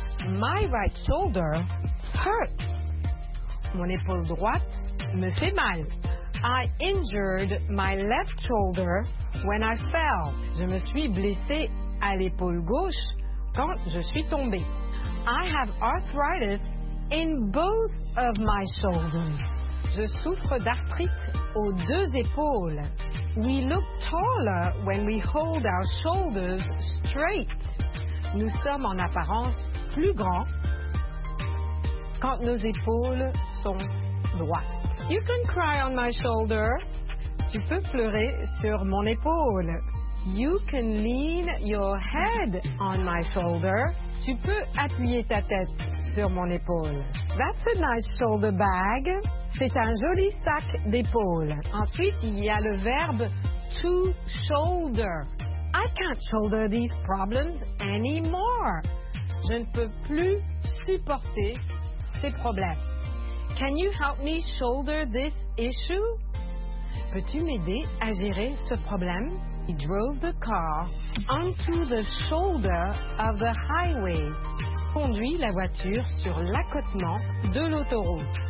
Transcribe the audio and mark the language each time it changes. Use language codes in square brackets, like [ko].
[en] My right shoulder hurts. [fr] Mon épaule droite me fait mal. [en] I injured my left shoulder when I fell. [fr] Je me suis blessée à l'épaule gauche quand je suis tombée. [en] I have arthritis in both of my shoulders. [fr] Je souffre d'arthrite aux deux épaules. [en] We look taller when we hold our shoulders straight. [fr] Nous sommes en apparence plus grands quand nos épaules sont droites. [en] You can cry on my shoulder. [fr] Tu peux pleurer sur mon épaule. [en] You can lean your head on my shoulder. [fr] Tu peux appuyer ta tête sur mon épaule. [en] That's a nice shoulder bag. [fr] C'est un joli sac d'épaule. Ensuite, il y a le verbe to shoulder. [en] I can't shoulder these problems anymore. [fr] Je ne peux plus supporter ces problèmes. [en] Can you help me shoulder this issue? [fr] Peux-tu m'aider à gérer ce problème? [en] He drove the car onto the shoulder of the highway. [fr] Conduit la voiture sur l'accotement de l'autoroute.